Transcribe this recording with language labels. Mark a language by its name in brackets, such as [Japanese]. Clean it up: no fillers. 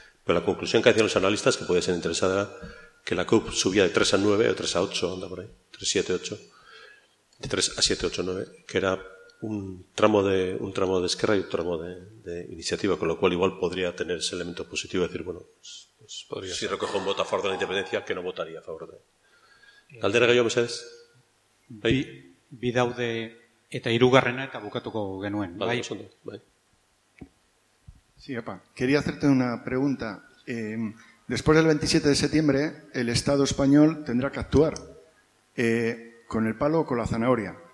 [Spanish] Pero la conclusión que hacían los analistas, que puede ser interesada, que la CUP subía de 3 a 9, o 3 a 8, anda por ahí, 3, 7, 8, de 3 a 7, 8, 9, que era un tramo de Esquerra y un tramo de Iniciativa, con lo cual igual podría tener ese elemento positivo de decir, bueno, pues podría si ser. Recojo un voto a favor de la independencia, que no votaría a favor de... Caldera Gallo, Mercedes. [Basque] Bi daude eta hirugarrena eta bukatuko genuen. Bai. Vale, bai. [Spanish] Sí, apa. Quería hacerte una pregunta. Después del 27 de septiembre, el Estado español tendrá que actuar con el palo o con la zanahoria.